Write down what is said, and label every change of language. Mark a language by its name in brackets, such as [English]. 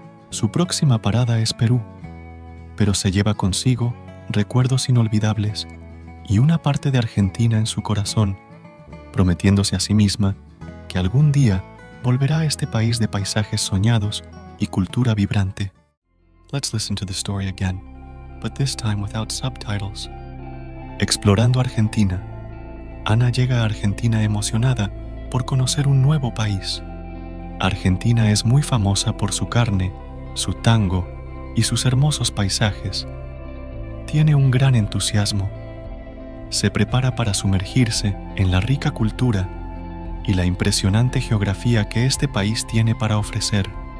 [Spanish] Su próxima parada es Perú, pero se lleva consigo recuerdos inolvidables y una parte de Argentina en su corazón, prometiéndose a sí misma que algún día volverá a este país de paisajes soñados y cultura vibrante. [English] Let's listen to the story again, but this time without subtitles. [Spanish] Explorando Argentina. Ana llega a Argentina emocionada por conocer un nuevo país. Argentina es muy famosa por su carne, su tango y sus hermosos paisajes. Tiene un gran entusiasmo. Se prepara para sumergirse en la rica cultura y la impresionante geografía que este país tiene para ofrecer.